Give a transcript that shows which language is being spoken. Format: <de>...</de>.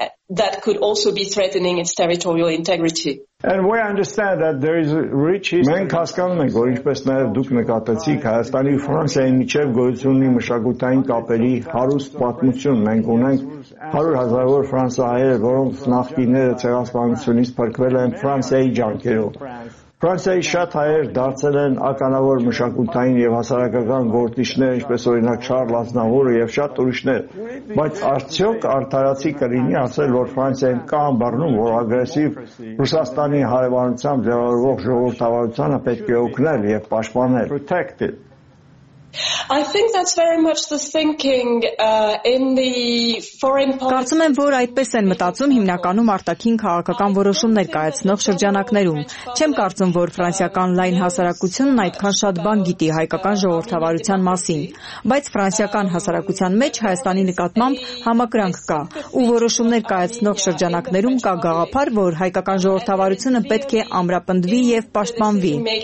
<en>That could also be threatening its territorial integrity. And we understand that there is a rich history.</en> <hy>Մենք հասկանում ենք, որ ինչպես նաև դուք նկատեցիք, Հայաստանի ու Ֆրանսիայի միջև գոյություն ունի մշակութային կապերի հարուստ պատմություն։ Մենք ունենք 100 հազարավոր ֆրանսահայեր, որոնք նախկինները ցեղասպանությունից փրկվել են Ֆրանսիայի ջանքերով։ Ֆրանսիայի շատ հայեր դարձել են ականավոր մշակութային եւ հասարակական գործիչներ, ինչպես օրինակ Շարլ Ազնավուրը եւ շատ ուրիշներ, բայց արդյոք արդարացի կլինի ասել, որ Ֆրանսիան կամ բռնում, որ ագրեսիվ Ռուսաստանի հարևանությամբ ձևավորվող ժողովրդավարությունը պետք է օգնել եւ պաշտպանել։</hy> <en>I think that's very much the thinking in the foreign policy.</en> <hy>Կարծում եմ, որ այդպես են մտածում հիմնականում արտաքին քաղաքական որոշումներ կայացնող շրջանակներում։ Չեմ կարծում, որ ֆրանսիական լայն հասարակությունն այդքան շատ բան գիտի հայկական ժողովրդավարության մասին, բայց ֆրանսիական հասարակության մեջ Հայաստանի նկատմամբ համակրանք կա, ու որոշումներ կայացնող շրջանակներում կա գաղափար, որ հայկական ժողովրդավարությունը պետք է ամրապնդվի եւ պաշտպանվի։</hy>